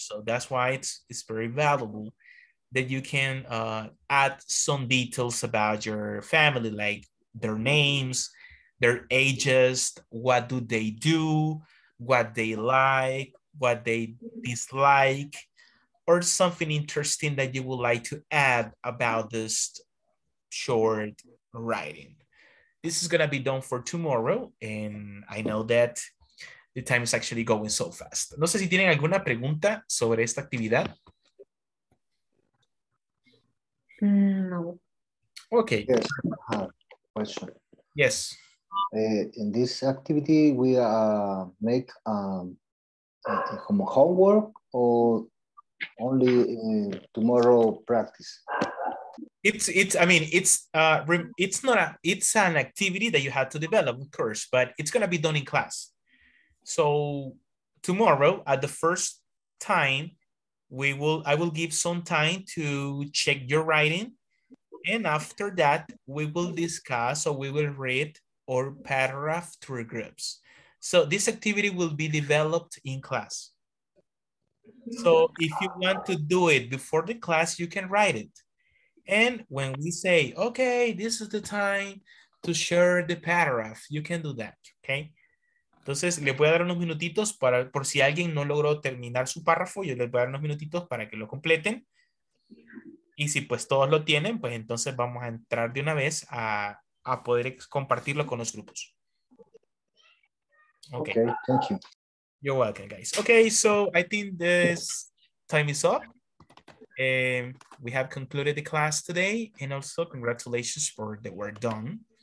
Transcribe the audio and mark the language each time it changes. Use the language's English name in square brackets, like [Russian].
[English] So that's why it's very valuable that you can add some details about your family, like their names, their ages, what do they do, what they like, what they dislike, or something interesting that you would like to add about this short writing. This is gonna be done for tomorrow, and I know that the time is actually going so fast. [Spanish] No sé si tienen alguna pregunta sobre esta actividad. No. [English] Okay. Yes, I have a question. Yes. In this activity, we make homework or only tomorrow practice? It's an activity that you have to develop, of course, but it's gonna be done in class. So tomorrow at the first time, I will give some time to check your writing, and after that we will discuss or we will read or paragraph through groups. So this activity will be developed in class. So if you want to do it before the class, you can write it. And when we say, okay, this is the time to share the paragraph, you can do that, okay? [Spanish] Entonces, le voy a dar unos minutitos para, por si alguien no logró terminar su párrafo, yo les voy a dar unos minutitos para que lo completen. Y si pues todos lo tienen, pues entonces vamos a entrar de una vez a poder compartirlo con los grupos. [English] Okay. Okay, thank you. You're welcome, guys. Okay, so I think this time is up. We have concluded the class today, and also congratulations for the work done.